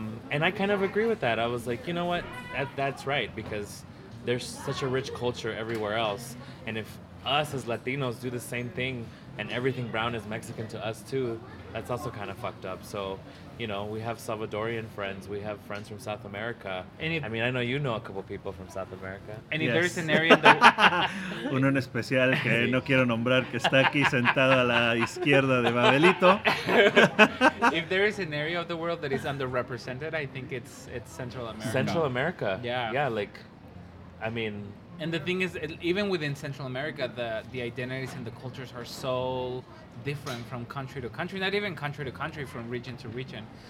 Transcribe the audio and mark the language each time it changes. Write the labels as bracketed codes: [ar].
[en] And I kind of agree with that. I was like, you know what? That's right, because there's such a rich culture everywhere else. And if us as Latinos do the same thing and everything brown is Mexican to us too, that's also kind of fucked up. So, you know, we have Salvadorian friends. We have friends from South America. I know you know a couple people from South America. And if there's an area that... [es] Uno en especial que no quiero nombrar, que está aquí sentado a la izquierda de Babelito. [en] If there is an area of the world that is underrepresented, I think it's Central America. Central America. Yeah. Yeah, like, I mean... And the thing is, even within Central America, the identities and the cultures are so different from country to country, not even country to country, from region to region.